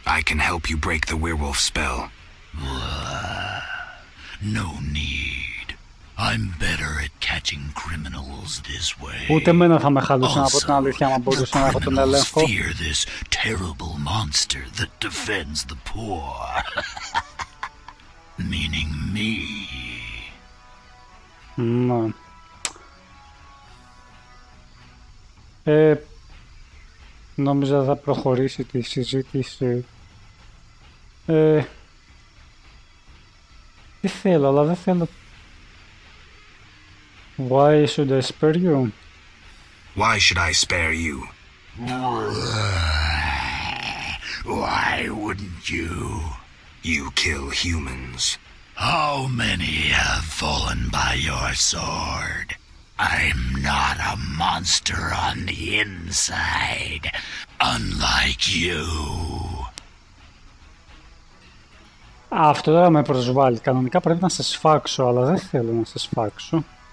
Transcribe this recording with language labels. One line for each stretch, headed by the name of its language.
English: I can help you break the werewolf spell. No need. I'm better at catching criminals this way.
Greek: Ούτε εμένα θα με χαλούσε να πω την αλήθεια, αν μπορούσα να έχω τον ελέγχο.
English: Criminals fear this terrible monster that defends the poor. Meaning me.
Greek: Ναι. Νόμιζα θα προχωρήσει τη συζήτηση. Τι θέλω, αλλά δεν θέλω.
English: Why should I spare you? Why should I spare you? Why wouldn't you? You kill humans. How many have fallen by your sword? I'm not a monster on the inside, unlike you.
Greek: Αυτό τώρα με προσβάλλει. Κανονικά πρέπει να σε σφάξω, αλλά δεν θέλω να σε σφάξω.